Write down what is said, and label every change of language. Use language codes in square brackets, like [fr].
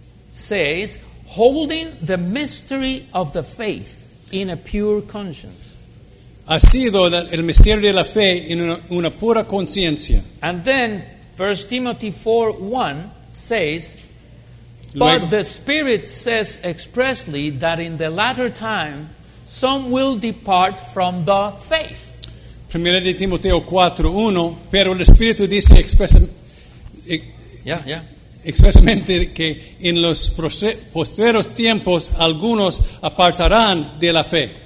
[en] Says, holding the mystery of the faith in a pure conscience. [es] Ha sido el misterio de la fe en una pura conciencia. [en] And then, 1 Timothy 4:1 says, But the Spirit says expressly that in the latter time some will depart from the faith. [es] Primera de Timoteo 4:1, pero el Espíritu dice expresamente que en los posteriores tiempos algunos apartarán de la fe.